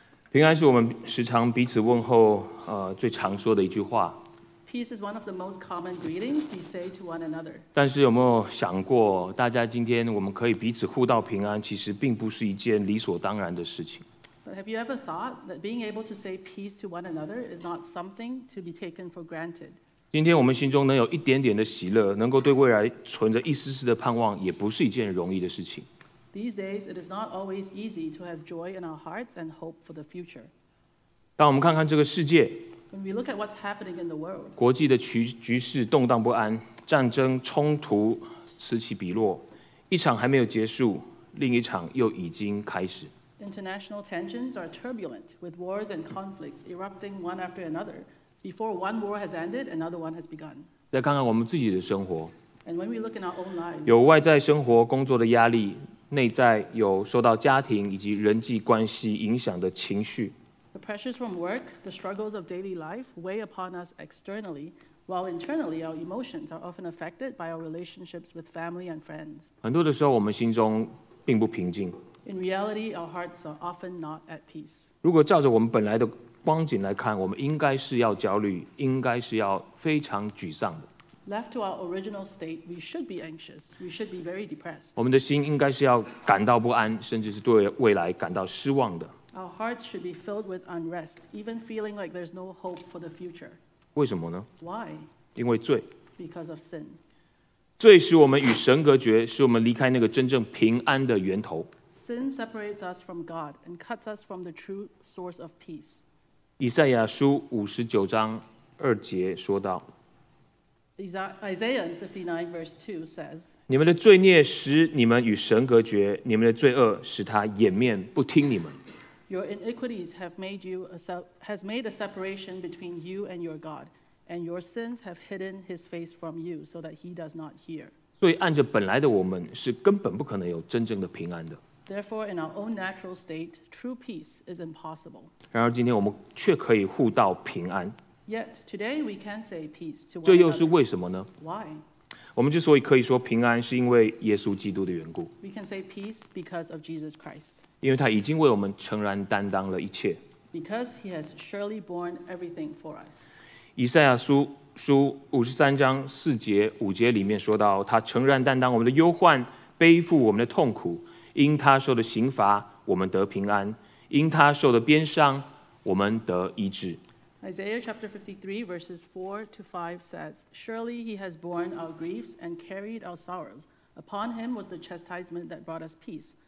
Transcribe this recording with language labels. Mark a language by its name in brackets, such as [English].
[Chinese] 平安是我们时常彼此问候，最常说的一句话。 [English] Peace is one of the most common greetings we say to one another. [Chinese] 但是有没有想过，大家今天我们可以彼此互道平安，其实并不是一件理所当然的事情。 [English] But have you ever thought that being able to say peace to one another is not something to be taken for granted? [Chinese] 今天我们心中能有一点点的喜乐，能够对未来存着一丝丝的盼望，也不是一件容易的事情。 [English] These days, it is not always easy to have joy in our hearts and hope for the future. [Chinese] 当我们看看这个世界。 [English] When we look at what's happening in the world, [Chinese] 国际的局势动荡不安，战争冲突此起彼落，一场还没有结束，另一场又已经开始。 [English] International tensions are turbulent, with wars and conflicts erupting one after another. Before one war has ended, another one has begun. [Chinese] 再看看我们自己的生活。 [English] And when we look in our own lives, [Chinese] 有外在生活工作的压力，内在有受到家庭以及人际关系影响的情绪。 [English] The pressures from work, the struggles of daily life weigh upon us externally, while internally our emotions are often affected by our relationships with family and friends. [Chinese] 很多的时候我们心中并不平静。 [English] In reality, our hearts are often not at peace. [Chinese] 如果照着我们本来的光景来看，我们应该是要焦虑，应该是要非常沮丧的。 [English] Left to our original state, we should be anxious. We should be very depressed. [Chinese] 我们的心应该是要感到不安，甚至是对未来感到失望的。 [English] Our hearts should be filled with unrest, even feeling like there's no hope for the future. [Chinese] 为什么呢？ [English] Why? [Chinese] 因为罪。 [English] Because of sin. [Chinese] 罪使我们与神隔绝，使我们离开那个真正平安的源头。 [English] Sin separates us from God and cuts us from the true source of peace. [Chinese] 以赛亚书59章二节说道。 [English] Isaiah 59 verse 2 says, [Chinese] 你们的罪孽使你们与神隔绝，你们的罪恶使他掩面不听你们。 [English] Your iniquities have made you has made a separation between you and your God, and your sins have hidden his face from you so that he does not hear. [Chinese] 所以按着本来的我们是根本不可能有真正的平安的。 [English] Therefore, in our own natural state, true peace is impossible. [Chinese] 然而今天我们却可以互道平安。 [English] Yet today we can say peace to one another. [Chinese] 这又是为什么呢？ [English] Why? [Chinese] 我们之所以可以说平安，是因为耶稣基督的缘故。 [English] We can say peace because of Jesus Christ. [Chinese] 因为他已经为我们诚然担当了一切。 [English] Because he has surely borne everything for us. [Chinese] 以赛亚书53章4节5节里面说到，他诚然担当我们的忧患，背负我们的痛苦。因他受的刑罚，我们得平安；因他受的鞭伤，我们得医治。 [English] Isaiah chapter 53 verses 4 to 5 says, Surely he has borne our griefs and carried our sorrows. Upon him was the chastisement that brought us peace.